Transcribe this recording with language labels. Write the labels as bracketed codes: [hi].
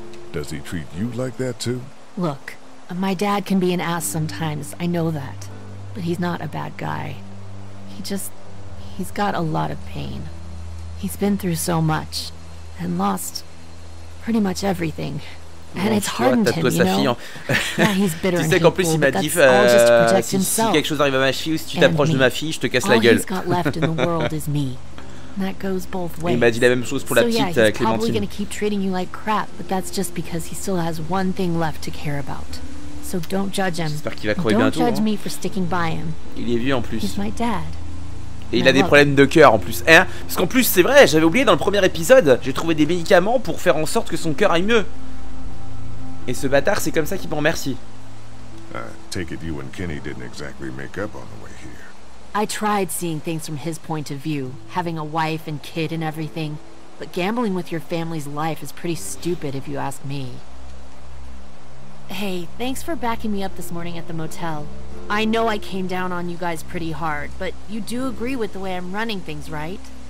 [en] Does he treat you like that too? Look, my dad can be an ass sometimes, I know that. But he's not a bad guy. He's got a lot of pain. He's been through so much, and lost pretty much everything. And it's hardened him, you know. Yeah, he's bitter. [fr] Tu sais qu'en plus il m'a dit, si quelque chose arrive à ma fille ou si tu t'approches de ma fille, je te casse la gueule. [en] All he's got left in the world is me. That goes both ways. [fr] Il m'a dit la même chose pour la petite Clémentine. [en] So yeah, he's probably gonna keep treating you like crap, but that's just because he still has one thing left to care about. So don't judge him. [fr] J'espère qu'il va courir bientôt. [en] Don't judge me for sticking by him. [fr] Il est vieux en plus. [en] He's my dad. [fr] Et il a des problèmes de cœur en plus. Hein? Parce qu'en plus, c'est vrai, j'avais oublié dans le premier épisode, j'ai trouvé des médicaments pour faire en sorte que son cœur aille mieux. Et ce bâtard, c'est comme ça qu'il me remercie. [en] I take it you and Kenny didn't exactly make up on the way here. I tried seeing things from his point of view, having a wife and kid and everything, but gambling with your family's life is pretty stupid if you ask me. Hey, thanks for backing me up this morning at the motel. I know I came down on you guys pretty hard, but you do agree with the way I'm running things, right?